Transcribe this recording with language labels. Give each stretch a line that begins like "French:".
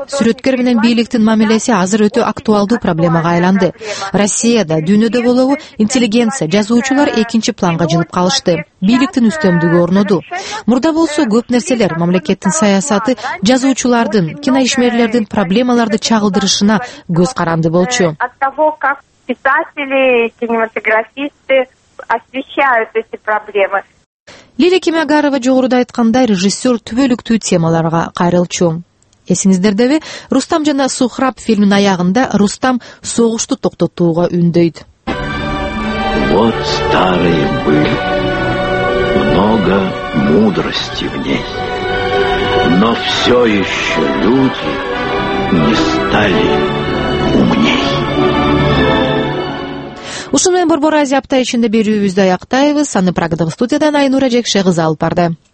Kyrgyz: Сүрөткер менен бийликтин мамилеси азыр өтө актуалдуу проблемага айланды. Россияда, дүйнөдө болобу, интеллигенция, жазуучулар экинчи планга жылып калышты. Бийликтин үстөмдүгү орноду. Мурда болсо көп нерселер мамлекеттин саясаты жазуучулардын, киноишмерлердин проблемаларды чагылдырышына көз каранды болчу.
Russian: От того, как писатели, кинематографисты освещают эти проблемы.
Kyrgyz: Лилия Кимягярова жогоруда айткандай режиссер түбөлүктүү темаларга кайрылчу. Эсиңиздердеби, Рустам жана Сухраб фильмин аягында Рустам согушту токтотууга үндөйт.
Russian: Вот старые были, много мудрости в ней, но все еще люди не стали умней.
Kyrgyz: Ушул менен Борбор Азия апта ичинде берүүбүздү аяктайбыз. Аны Прагадагы студиядан Айнура Жекшегиз алып барды.